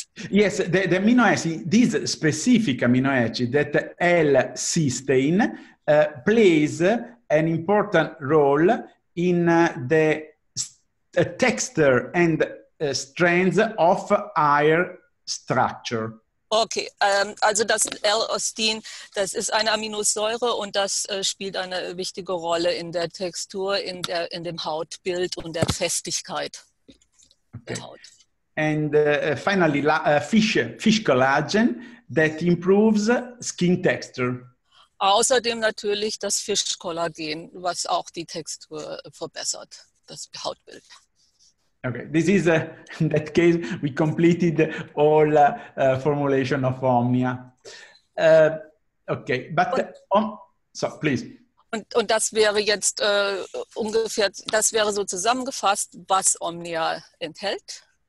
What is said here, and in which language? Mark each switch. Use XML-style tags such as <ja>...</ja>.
<en>Yes, the amino acid, this specific amino acid, that L-cysteine, plays an important role in the texture and strength of our structure.</en> <de>Okay, also das L-Ostin, das ist eine Aminosäure und das spielt eine wichtige Rolle in der Textur, in dem Hautbild und der Festigkeit okay. der Haut.</de> <en>And finally, fish collagen that improves skin texture.</en> <de>Außerdem natürlich das Fischkollagen, was auch die Textur verbessert, das Hautbild.</de> <en>Okay, this is in that case we completed all formulation of Omnia. Okay, but please.</en> <de>Und das wäre jetzt ungefähr, das wäre so zusammengefasst, was Omnia enthält.</de>